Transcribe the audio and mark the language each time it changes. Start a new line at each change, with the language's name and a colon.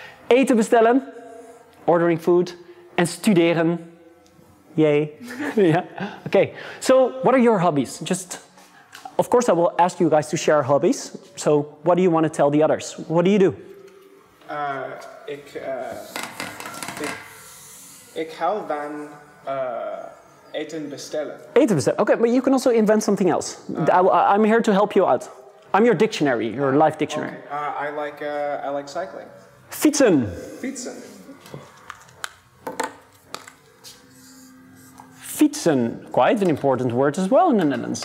Dutch: Eten bestellen,
English: ordering food, and studeren, yay. Yeah. Okay, so what are your hobbies? Just, of course I will ask you guys to share hobbies. So what do you want to tell the others? What do you do?
Dutch: Ik hou van eten bestellen. Eten bestellen,
English: okay, but you can also invent something else. I'm here to help you out. I'm your dictionary, your life dictionary. Okay. I like cycling.
Dutch: Fietsen. Fietsen. Fietsen.
English: Quite an important word as well in the Netherlands.